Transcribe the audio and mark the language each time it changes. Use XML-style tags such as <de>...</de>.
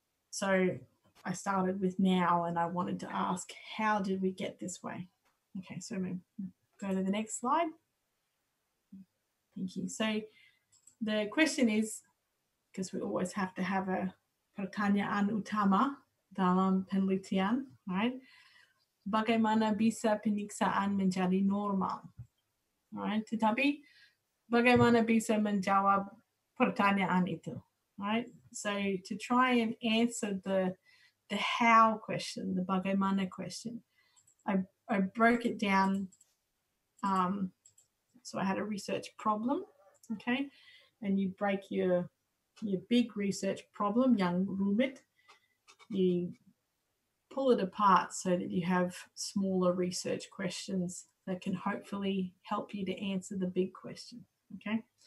<en>So I started with now, and I wanted to ask, how did we get this way? Okay, so I'm going to go to the next slide. Thank you. So the question is, because we always have to have a</en> <id>pertanyaan utama dalam penelitian,</id> <en>right?</en> <id>Bagaimana bisa penyiksaan menjadi normal?</id> <en>Right?</en> <id>Tetapi bagaimana bisa menjawab pertanyaan itu?</id> <en>Right? So to try and answer the how question, the bagaimana question, I broke it down. So I had a research problem, okay? And you break your big research problem,</en> <id>yang rumit,</id> <en>you pull it apart so that you have smaller research questions that can hopefully help you to answer the big question, okay?</en>